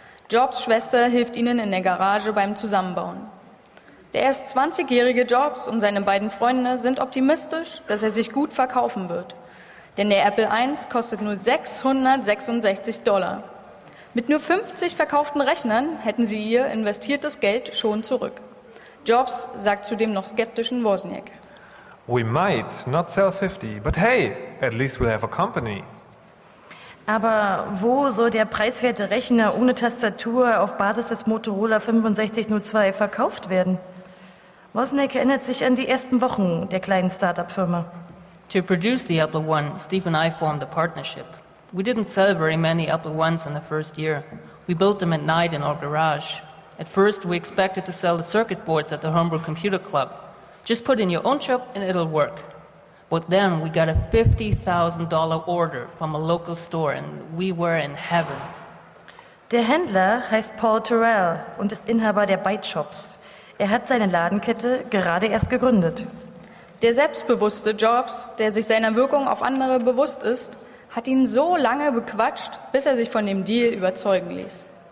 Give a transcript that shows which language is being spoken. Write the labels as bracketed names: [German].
[German] Jobs Schwester hilft ihnen in der Garage beim Zusammenbauen. Der erst 20-jährige Jobs und seine beiden Freunde sind optimistisch, dass er sich gut verkaufen wird. Denn der Apple I kostet nur $666. Mit nur 50 verkauften Rechnern hätten sie ihr investiertes Geld schon zurück. Jobs sagt zu dem noch skeptischen Wozniak: [English] We might not sell 50, but hey, at least we'll have a company. [German] Aber wo soll der preiswerte Rechner ohne Tastatur auf Basis des Motorola 6502 verkauft werden? Wozniak erinnert sich an die ersten Wochen der kleinen Startup-Firma. [English] To produce the Apple I, Steve and I formed a partnership. We didn't sell very many Apple I's in the first year. We built them at night in our garage. At first, we expected to sell the circuit boards at the Homebrew Computer Club. Just put in your own chip and it'll work. But then we got a $50,000 order from a local store and we were in heaven. [German] Der Händler heißt Paul Terrell und ist Inhaber der Byte Shops. Er hat seine Ladenkette gerade erst gegründet. Der selbstbewusste Jobs, der sich seiner Wirkung auf andere bewusst ist, hat ihn so lange bequatscht, bis er sich von dem Deal überzeugen ließ.